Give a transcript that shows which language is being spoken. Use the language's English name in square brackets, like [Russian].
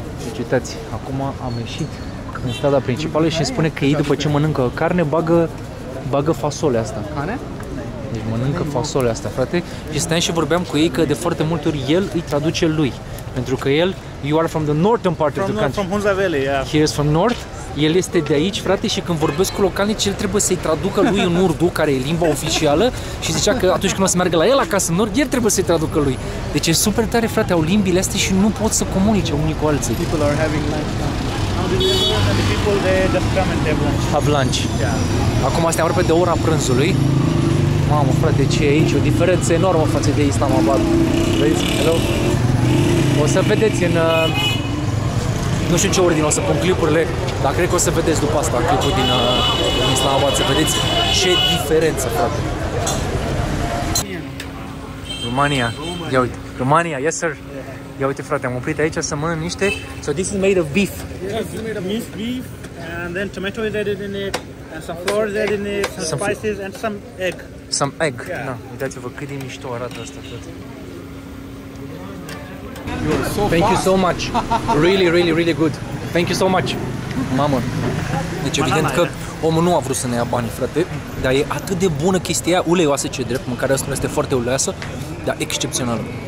[Romanian] Vegetați. Acum am ieșit în strada principală și îmi spune că ei după ce mănâncă carne bagă fasole asta. Carne? Deci mănâncă fasole asta, frate. Și stăteam și vorbeam cu ei că de foarte multe ori el îi traduce lui. Pentru că el, [English] you are from the northern part from of the country. From Hunza Valley, yeah. He is from north. [Romanian] El este de aici, frate, și când vorbesc cu localnici, el trebuie să-i traducă lui în urdu, care e limba oficială, și zicea că atunci când o să meargă la el acasă în urd, el trebuie să-i traducă lui. Deci e super tare, frate, au limbile astea și nu pot să comunice unii cu alții. [English] People are having lunch. People, they just come and have lunch. Have lunch. Yeah. [Romanian] Acum astea aproape de ora prânzului. Mamă, frate, ce e aici? O diferență enormă față de Islamabad. Vezi? Hello? O să vedeți în... Nu știu ce ordine o să pun clipurile, dar cred că o să vedeți după asta clipul din Islamabad, să vedeți ce diferență, frate. România, ia uite, România, [English] yes sir. [Romanian] Ia uite, frate, am oprit aici să mănânc niște. [English] So this is made of beef. Yes, this is made of minced beef, and then tomato is added in it, and some flour is added in it, some spices, and some egg. Some egg, da. Yeah. No. [Romanian] Uitați-vă cât de mișto arată asta, frate. [English] So thank fast. You so much. Really, really, really good. Thank you so much. Mamă. [Romanian] Deci evident că omul nu a vrut să ne ia banii, frate, dar e atât de bună chestia aia, uleioasă ce drept, mâncarea asta este foarte uleioasă, dar excepțională.